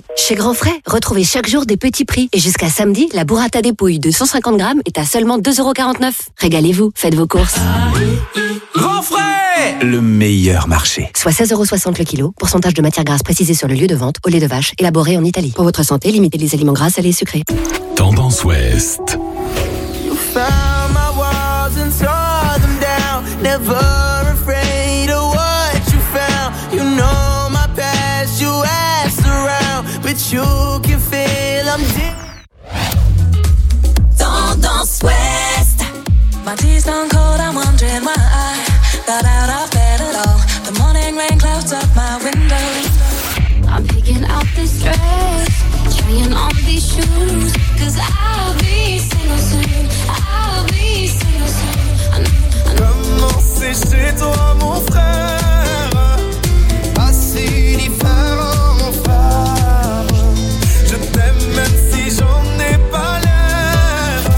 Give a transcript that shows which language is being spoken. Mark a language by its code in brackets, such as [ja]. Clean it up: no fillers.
[fr] Chez grand frais, retrouvez chaque jour des petits prix. Et jusqu'à samedi, la burrata des pouilles de 150 grammes est à seulement 2,49€. Régalez-vous, faites vos courses. Grand frais, le meilleur marché. Soit 16,60€ le kilo, pourcentage de matière grasse précisé sur le lieu de vente, au lait de vache, élaboré en Italie. Pour votre santé, limitez les aliments gras, salés et sucrés. Tendance Ouest. [en] You found my walls and tore them down. Never afraid of what you found. You know my past, you asked around. But you can feel I'm dead. [fr] Tendance Ouest. [en] My tea's gone cold, I'm wondering why I got out of bed at all. The morning rain clouds up my window. I'm picking out this dress, trying on these shoes. Cause I'll be single soon, I'll be single soon. [fr] Comment c'est chez toi mon frère, pas si différent mon frère. Je t'aime même si j'en ai pas l'air.